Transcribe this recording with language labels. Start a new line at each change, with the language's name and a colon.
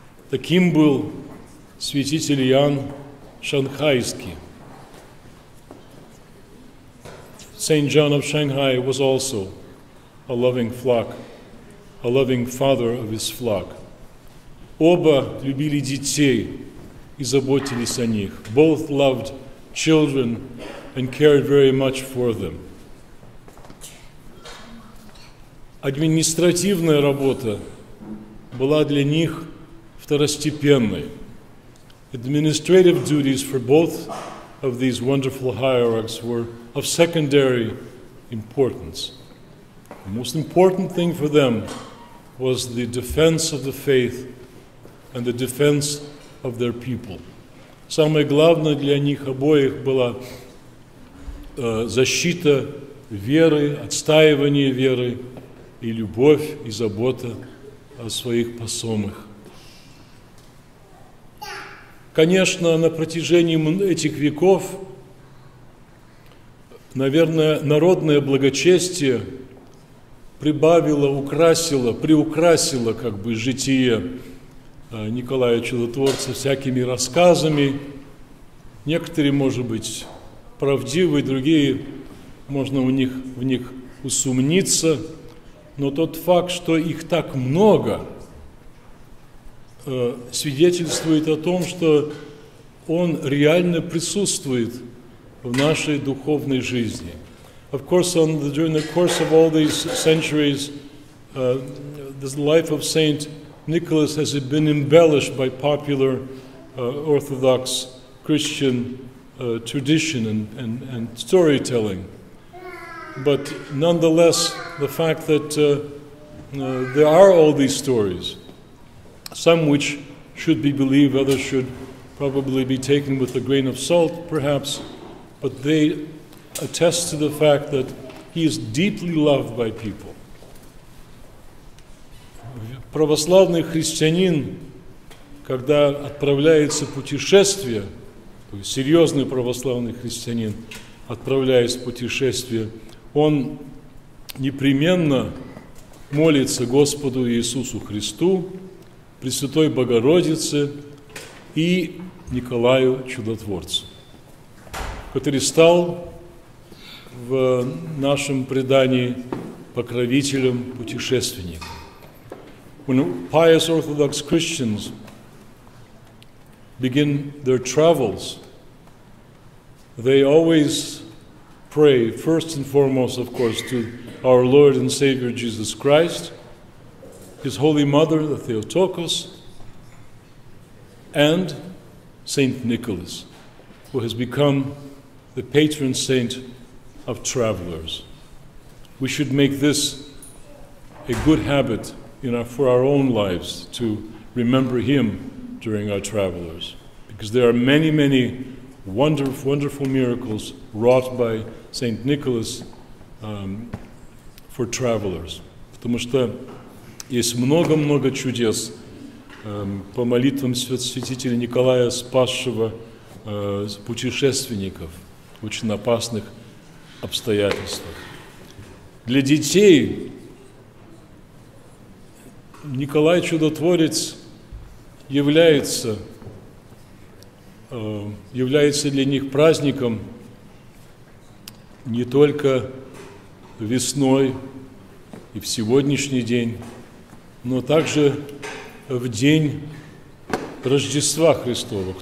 Russian: Таким был святитель Иоанн Шанхайский.
English: Saint John of Shanghai was also a loving flock, a loving father of his flock.
Russian: Оба любили детей и заботились о них.
English: Both loved children and cared very much for them.
Russian: Административная работа была для них второстепенной.
English: Administrative duties for both of these wonderful hierarchs were of secondary importance. The most important thing for them was the defense of the faith and the defense of their people.
Russian: Самое главное для них обоих была защита веры, отстаивание веры и любовь, и забота о своих посомых. Конечно, на протяжении этих веков, наверное, народное благочестие прибавило, украсило, приукрасило как бы житие Николая Чудотворца всякими рассказами. Некоторые, может быть, правдивы, другие, можно в них усомниться. Но тот факт, что их так много, свидетельствует о том, что он реально присутствует в нашей духовной жизни.
English: Of course, during the course of all these centuries, the life of Saint Nicholas has been embellished by popular Orthodox Christian tradition and storytelling. But nonetheless, the fact that there are all these stories, some which should be believed, others should probably be taken with a grain of salt, perhaps, but they attest to the fact that he is deeply loved by people.
Russian: Православный христианин, когда отправляется в путешествие, то есть серьезный православный христианин, отправляясь в путешествие, он непременно молится Господу Иисусу Христу, Пресвятой Богородице и Николаю Чудотворцу, который стал в нашем предании покровителем путешественников.
English: When pious Orthodox Christians begin their travels, they always pray first and foremost, of course, to our Lord and Savior Jesus Christ, His Holy Mother, the Theotokos, and Saint Nicholas, who has become the patron saint of travelers. We should make this a good habit for our own lives, to remember him during our travelers, because there are many, many wonderful miracles wrought by Saint Nicholas for travelers.
Russian: Потому что есть много-много чудес по молитвам святителя Николая, спасшего путешественников в очень опасных обстоятельствах. Для детей Николай Чудотворец является для них праздником не только весной и в сегодняшний день, но также в день Рождества Христова.